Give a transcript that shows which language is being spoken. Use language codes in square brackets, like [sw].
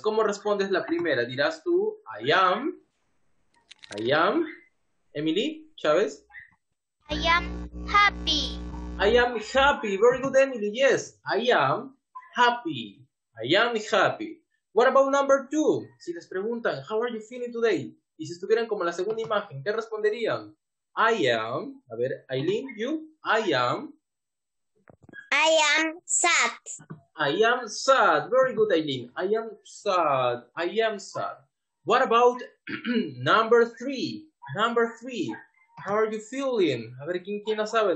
[es] ¿Cómo respondes la primera? Dirás tú, [en] I am. Emily Chávez. I am happy. I am happy. Very good, Emily. Yes, I am happy. I am happy. What about number two? [es] Si les preguntan, [en] how are you feeling today? [es] Y si estuvieran como la segunda imagen, ¿qué responderían? [en] I am, [es] a ver, [en] Aileen, you, I am sad. I am sad, very good, Aileen, I am sad. What about number three, how are you feeling? [es] A ver, ¿quién la sabe?